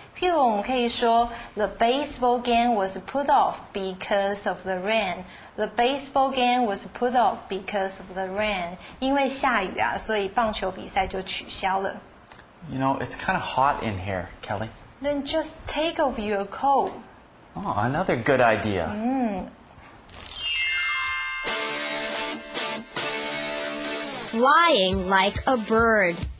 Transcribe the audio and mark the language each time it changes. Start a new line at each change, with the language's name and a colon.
Chinese: 譬如我们可以说
English: the baseball game was put off because of the rain。 The baseball game was put off because of the rain。
Chinese: 因为下雨啊，所以棒球比赛就取消了。
English: You know, it's kind of hot in here, Kelly. Then just take off your coat. Oh, another good idea. Flying like a bird.